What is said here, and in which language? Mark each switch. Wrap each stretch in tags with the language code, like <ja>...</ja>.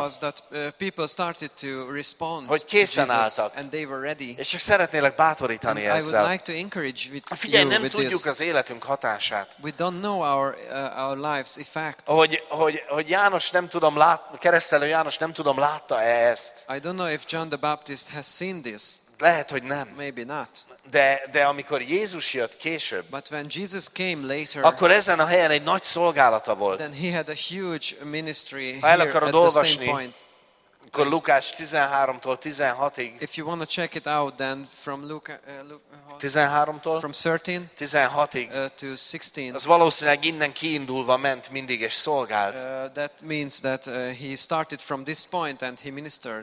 <en>was that people started to respond,</en> <hu>hogy készen álltak,</hu> <en>and they were ready.</en> <hu>És csak szeretnélek bátorítani</hu> <en>and</en> <hu>ezzel.</hu> <en>I would like to encourage with</en> <hu>figyelj,</hu> <en>you</en> <hu>nem</hu> <en>with</en> <hu>tudjuk</hu> <en>this</en> <hu>az életünk hatását.</hu> <en>We don't know our life's effect.</en> <hu>Hogy János nem tudom lát, keresztelő János nem tudom látta ezt.</hu> <en>I don't know if John the Baptist has seen this.</en> <hu>Lehet, hogy nem.</hu> <en>Maybe not.</en> <hu>De amikor Jézus jött később,</hu> <en>but when Jesus came later,</en> <hu>akkor ezen a helyen egy nagy szolgálata volt.</hu> <en>Then he had a huge ministry.</en> <hu>Ha el akarod olvasni,</hu> <en>the same point,</en> <hu>akkor Lukács 13-tól 16-ig.</hu> <en>If you want to check it out, then from Luke,</en> <hu>13-tól</hu> <en>from 13,</en> <hu>16-ig,</hu> <en>to 16.</en> <hu>Az valószínűleg innen kiindulva ment mindig és szolgált.</hu> <en>That means that he started from this point and he ministered.</en>